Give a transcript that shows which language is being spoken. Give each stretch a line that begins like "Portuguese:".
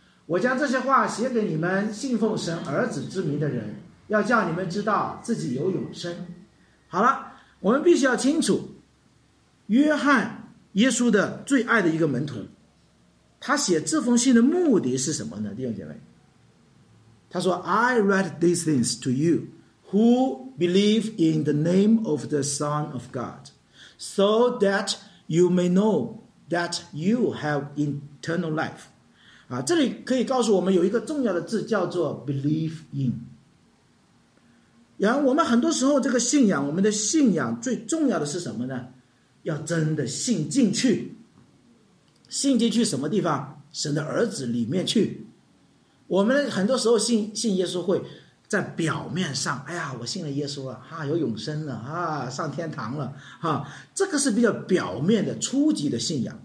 Chinese: 我将这些话写给你们信奉神儿子之名的人，要叫你们知道自己有永生。好了，我们必须要清楚，约翰耶稣的最爱的一个门徒，他写这封信的目的是什么呢？弟兄姐妹，他说
English: I write these things to you who believe in the name of the Son of God, so that you may knowThat you have eternal life.
Chinese: 啊，这里可以告诉我们有一个重要的字叫做 believe in。然后我们很多时候这个信仰，我们的信仰最重要的是什么呢？要真的信进去。信进去什么地方？神的儿子里面去。我们很多时候 信耶稣会在表面上，哎呀，我信了耶稣了，哈，有永生了，啊，上天堂了，哈，这个是比较表面的、初级的信仰。